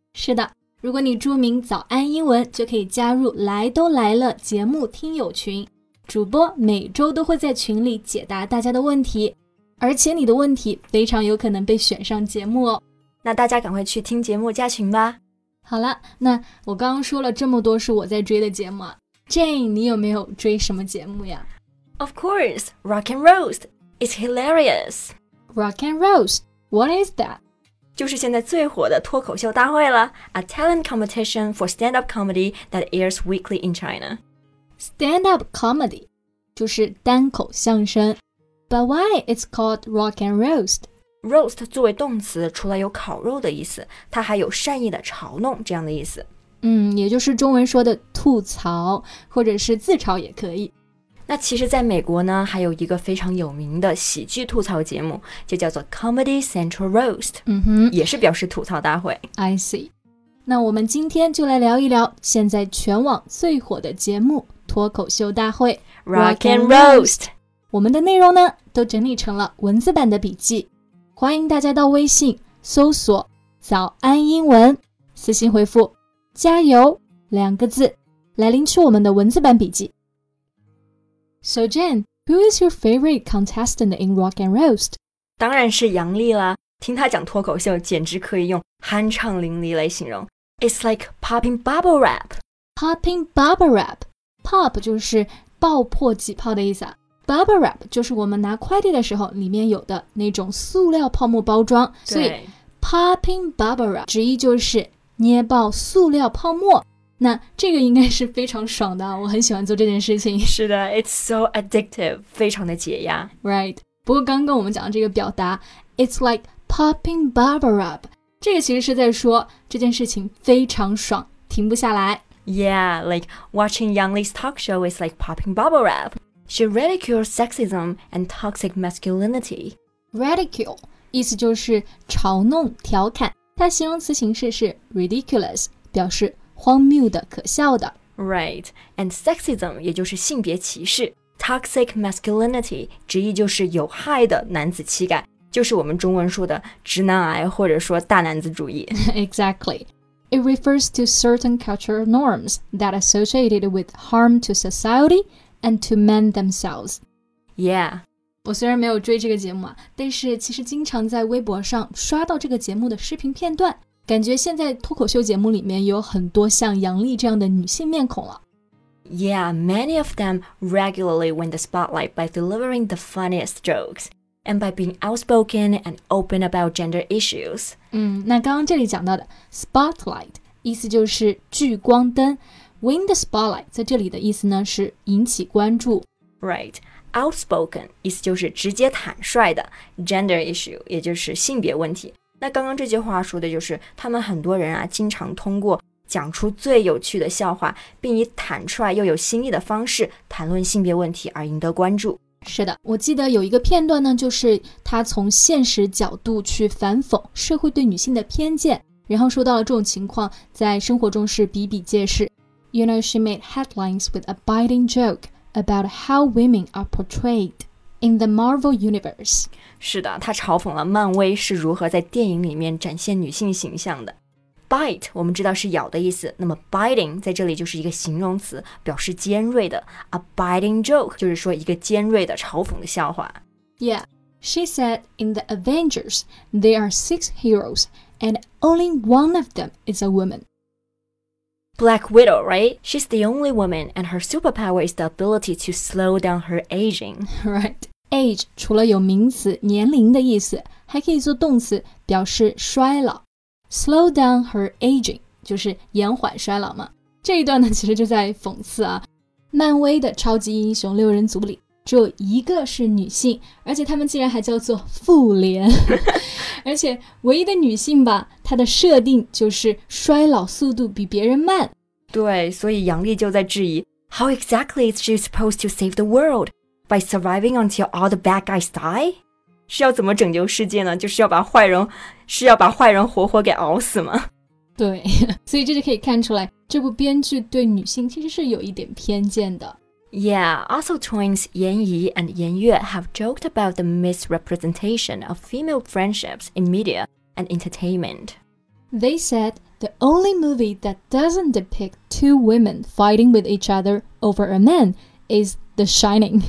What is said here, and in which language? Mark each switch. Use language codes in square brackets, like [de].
[zh] 是的，如果你注明早安英文，就可以加入来都来了节目听友群，主播每周都会在群里解答大家的问题，而且你的问题非常有可能被选上节目哦。那大家赶快去听节目加群吧。好了，那我刚刚说了这么多是我在追的节目啊， Jane, 你有没有追什么节目呀？ [en] Of course, Rock and Roast, it's hilarious. Rock and Roast, what is that? [zh] 就是现在最火的脱口秀大会了 [en] ，a talent competition for stand-up comedy that airs weekly in China. Stand-up comedy [zh] 就是单口相声 [en] ，but why it's called rock and roast? [zh] Roast 作为动词，除了有烤肉的意思，它还有善意的嘲弄这样的意思。也就是中文说的吐槽，或者是自嘲也可以。那其实在美国呢，还有一个非常有名的喜剧吐槽节目，就叫做 Comedy Central Roast, 也是表示吐槽大会。 [en] I see. [zh] 那我们今天就来聊一聊现在全网最火的节目脱口秀大会 [en] Rock and Roast。 [zh] 我们的内容呢，都整理成了文字版的笔记，欢迎大家到微信搜索早安英文，私信回复加油两个字，来领取我们的文字版笔记。 [en] So Jane, who is your favorite contestant in Rock and Roast? [zh] 当然是杨丽啦，听她讲脱口秀简直可以用酣畅淋漓来形容。 [en] It's like popping bubble wrap. Popping bubble wrap. [zh] Pop 就是爆破挤泡的意思啊。Bubble wrap 就是我们拿快递的时候里面有的那种塑料泡沫包装。所以 popping bubble wrap 直译就是捏爆塑料泡沫。那这个应该是非常爽的，我很喜欢做这件事情。是的 ， [en] It's so addictive, [zh] 非常的解压。 [en] Right. [zh] 不过刚刚我们讲的这个表达 ， [en] It's like popping bubble wrap, [zh] 这个其实是在说这件事情非常爽，停不下来。 [en] Yeah, like watching Yang Li's talk show is like popping bubble wrap. She ridicules sexism and toxic masculinity. [zh] Ridicule 意思就是嘲弄、调侃，它形容词形式是 ridiculous, 表示。荒谬的，可笑的。 [en] Right, and sexism, [zh] 也就是性别歧视。Toxic masculinity, 直译就是有害的男子气概，就是我们中文说的直男癌，或者说大男子主义。 [en] Exactly. It refers to certain cultural norms that are associated with harm to society and to men themselves. Yeah. [zh] 我虽然没有追这个节目啊，但是其实经常在微博上刷到这个节目的视频片段。感觉现在脱口秀节目里面有很多像杨丽这样的女性面孔了。 [en] Yeah, many of them regularly win the spotlight by delivering the funniest jokes and by being outspoken and open about gender issues. [zh] 那刚刚这里讲到的 spotlight 意思就是聚光灯， Win the spotlight 在这里的意思呢是引起关注。 [en] Right, [zh] outspoken 意思就是直接坦率的 gender issue 也就是性别问题。那刚刚这句话说的就是他们很多人啊经常通过讲出最有趣的笑话并以坦率又有新意的方式谈论性别问题而赢得关注。是的，我记得有一个片段呢，就是他从现实角度去反讽社会对女性的偏见，然后说到了这种情况在生活中是比比皆是。 [en] You know, she made headlines with a biting joke about how women are portrayed in the Marvel Universe. [zh] 是的，她嘲讽了漫威是如何在电影里面展现女性形象的。 Bite, 我们知道是咬的意思，那么 biting 在这里就是一个形容词，表示尖锐的。 A biting joke 就是说一个尖锐的嘲讽的笑话。 [en] Yeah, she said in the Avengers, there are 6 heroes and only one of them is a woman. Black Widow, right? She's the only woman, and her superpower is the ability to slow down her aging. Right. [zh] Age 除了有名词年龄的意思，还可以做动词，表示衰老。 [en] Slow down her aging [zh] 就是延缓衰老嘛。这一段呢，其实就在讽刺啊，漫威的超级英雄六人组里只有一个是女性，而且他们竟然还叫做复联。而且唯一的女性吧，她的设定就是衰老速度比别人慢。对，所以杨丽就在质疑 [en] How exactly is she supposed to save the world? By surviving until all the bad guys die? [zh] 是要怎么拯救世界呢？就是要把坏人，是要把坏人活活给熬死吗？对，所以这就可以看出来，这部编剧对女性其实是有一点偏见的。 [en] Yeah, also twins Yan Yi and Yan Yue have joked about the misrepresentation of female friendships in media and entertainment. They said the only movie that doesn't depict two women fighting with each other over a man is The Shining.